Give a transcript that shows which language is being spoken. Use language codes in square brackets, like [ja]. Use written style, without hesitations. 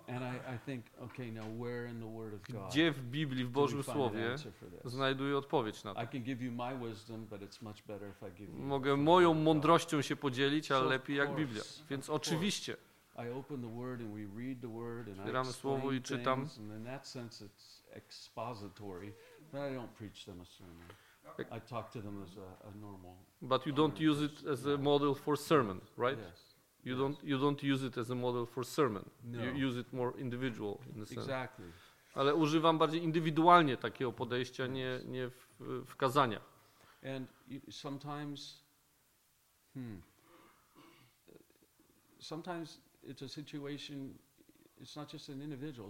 [en] And I think, okay, now where in the Word of God? [pl] Gdzie w Biblii, w Bożym Słowie, znajduję odpowiedź na to? [en] I can give you my wisdom, but it's much better if I give you. [pl] Mogę moją mądrością się podzielić, ale lepiej jak Biblia. Więc oczywiście. [en] I open the Word and we read the Word and [pl] czytamy słowo i czytam. [en] And in that sense, it's expository, but I don't preach them a sermon. I talk to them as a normal. But you don't use it as a model for sermon, right? Yes. You don't use it as a model for sermon. No. You use it more individual in the sense. Exactly. [pl] Ale używam bardziej indywidualnie takiego podejścia, nie w kazaniach. [en] And sometimes, sometimes it's a situation. It's not just an individual.